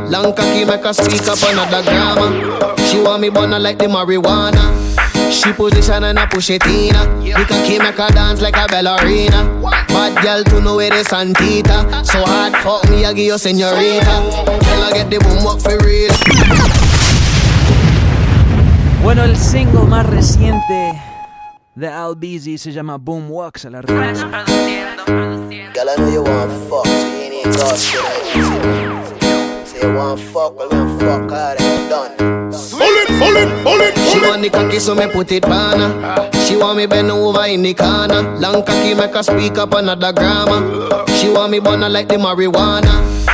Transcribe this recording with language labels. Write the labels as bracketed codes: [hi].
[en] Long cocky make her speak up another grammar. She want me burn her like the marijuana. She position and I push it in her. The cocky make her dance like a ballerina. Bad girl to know where the Santita. So hard fuck me, I give you señorita. Tell her get the boom work for real. [es] Bueno, el single más reciente de Albizzy se llama Boom Walks a la red. [en] Girl, I know you want fuck, so you ain't talk shit. Say you want fuck, well, then fuck out and done. Pull it. She want the cocky so me put it on her. She want me bend over in the corner. Long cocky make her speak up another grammar. She want me burn her like the marijuana.